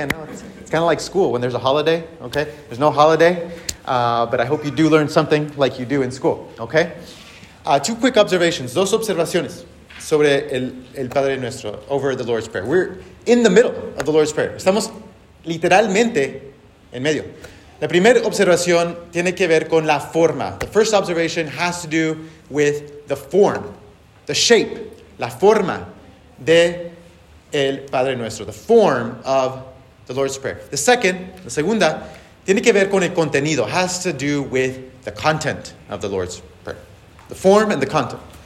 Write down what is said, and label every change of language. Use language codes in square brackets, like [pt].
[en] And it's kind of like school when there's a holiday. Okay? There's no holiday. But I hope you do learn something like you do in school. Okay? Two quick observations. [es] Dos observaciones sobre el Padre Nuestro [en] over the Lord's Prayer. We're in the middle of the Lord's Prayer. [es] Estamos literalmente en medio. La primera observación tiene que ver con la forma. [en] The first observation has to do with the form, the shape, [es] la forma de el Padre Nuestro, [en] the form of the Lord's Prayer. [es] La segunda, tiene que ver con el contenido, [en] has to do with the content of the Lord's Prayer. The form and the content.